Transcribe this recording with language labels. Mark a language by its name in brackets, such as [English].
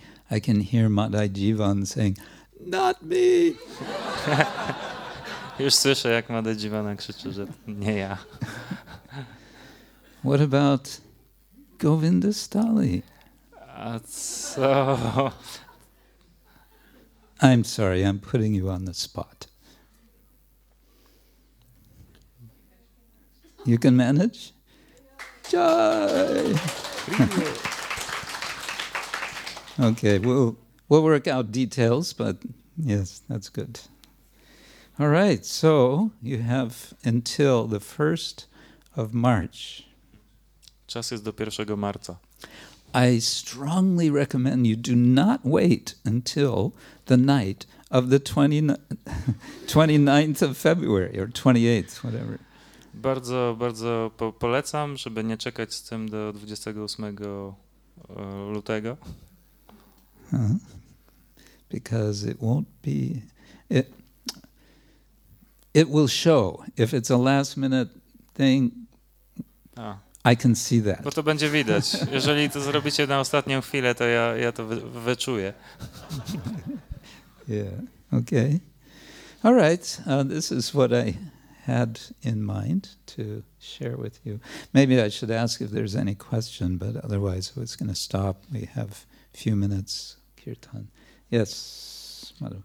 [English] I can hear Madai Jivan saying, not me! [Polish] Już słyszę, jak Madai Jivan krzyczy, że nie ja. [English] What about Govindastali? [Polish] A co? [English] I'm sorry, I'm putting you on the spot. You can manage? Jai! Okay, we'll work out details, but yes, that's good. All right, so you have until the 1st of March. [Polish] Czas jest do 1 marca. [English] I strongly recommend you do not wait until the night of the 29th of February or 28th, whatever. [Polish] Bardzo, bardzo polecam, żeby nie czekać z tym do 28 lutego. [English] Because it won't be... It will show. If it's a last minute thing, I can see that. [Polish] Bo to będzie widać. Jeżeli to zrobicie na ostatnią chwilę, to ja to wyczuję. [English] Yeah, okay. All right, this is what I had in mind to share with you. Maybe I should ask if there's any question, but otherwise it's going to stop. We have a few minutes, kirtan. Yes, Madhu.